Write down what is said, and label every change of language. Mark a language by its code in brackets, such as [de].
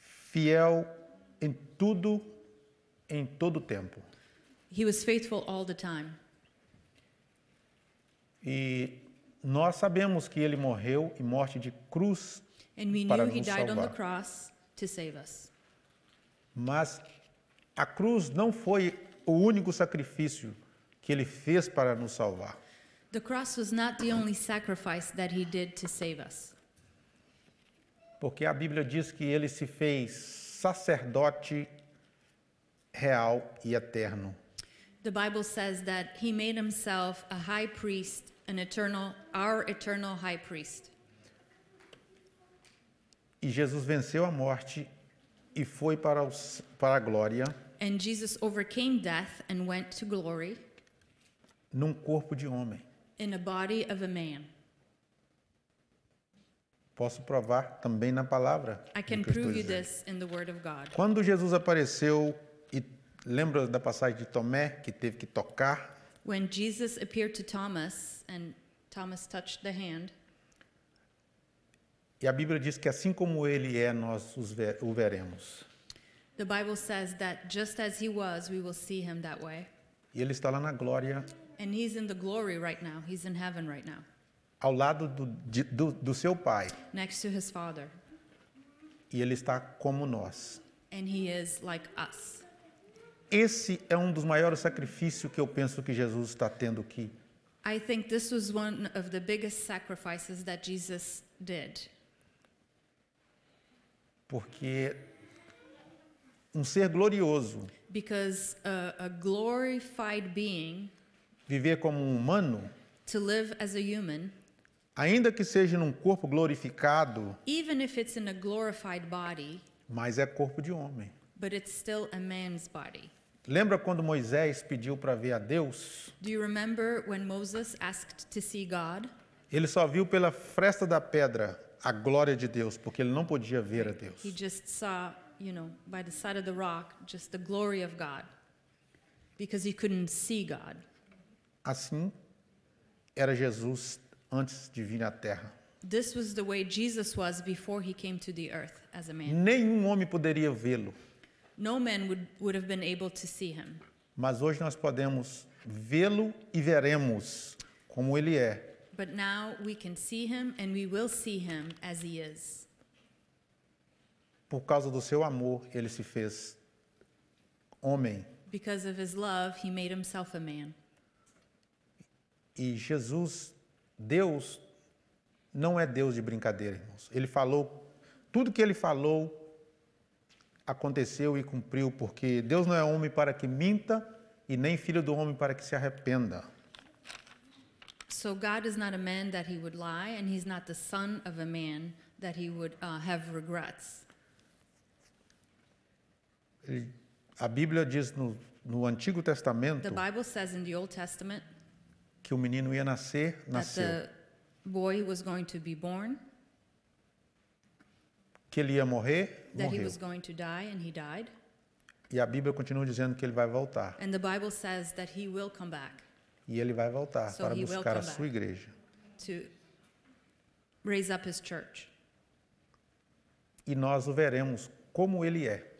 [pt] Fiel em tudo, em todo o tempo. [en] He was faithful all the time. [pt] E nós sabemos que ele morreu em morte de cruz [en] and we [pt] para [en] knew he died [pt] salvar. [en] On the cross to save us. [pt] Mas a cruz não foi o único sacrifício que ele fez para nos salvar. [en] The cross was not the only sacrifice that he did to save us. [pt] Porque a Bíblia diz que ele se fez sacerdote real e eterno. [en] The Bible says that he made himself a high priest, an eternal, our eternal high priest. [pt] E Jesus venceu a morte e foi para a glória. [en] And Jesus overcame death and went to glory. [pt] Num corpo de homem. [en] In a body of a man. [pt] Posso provar também na palavra. [en] I can prove you this in the word of God. [pt] Quando Jesus apareceu, e lembra da passagem de Tomé, que teve que tocar. [en] When Jesus appeared to Thomas, and Thomas touched the hand. [pt] E a Bíblia diz que assim como ele é, nós o veremos. [en] The Bible says that just as he was, we will see him that way. [pt] E ele está lá na glória. [en] And he's in the glory right now. He's in heaven right now. [pt] Ao lado do seu pai. [en] Next to his father. [pt] E ele está como nós. [en] And he is like us. [pt] Esse é um dos maiores sacrifícios que eu penso que Jesus está tendo aqui. [en] I think this was one of the biggest sacrifices that Jesus did. [pt] Porque um ser glorioso. [en] Because a glorified being. [pt] Viver como um humano. [en] To live as a human. [pt] Ainda que seja num corpo glorificado. [en] Even if it's in a glorified body. [pt] Mas é corpo de homem. [en] But it's still a man's body. [pt] Lembra quando Moisés pediu para ver a Deus? [en] Do you remember when Moses asked to see God? [pt] Ele só viu pela fresta da pedra a glória de Deus, porque ele não podia ver a Deus. [en] He just saw, you know, by the side of the rock, just the glory of God, because he couldn't see God. [pt] Assim era Jesus antes de vir à Terra. [en] This was the way Jesus was before he came to the earth as a man. [pt] Nenhum homem poderia vê-lo. [en] No man would have been able to see him. [pt] Mas hoje nós podemos vê-lo e veremos como ele é. [en] But now we can see him and we will see him as he is. [pt] Por causa do seu amor, ele se fez homem. [en] Because of his love, he made himself a man. [pt] E Jesus, Deus, não é Deus de brincadeira, irmãos. Ele falou, tudo que ele falou aconteceu e cumpriu, porque Deus não é homem para que minta e nem filho do homem para que se arrependa. [en] So God is not a man that he would lie, and he's not the son of a man that he would have regrets. [pt] A Bíblia diz no Antigo Testamento. [en] The Bible says in the Old Testament [pt] que o menino ia nascer, nasceu. [en] That the boy was going to be born. [pt] Que ele ia morrer, [en] that [pt] morreu. [en] He was going to die, and he died. [pt] E a Bíblia continua dizendo que ele vai voltar. [en] And the Bible says that he will come back. [pt] E ele vai voltar [en] so [pt] para buscar a sua igreja. [en] To raise up his church. [pt] E nós o veremos como ele é.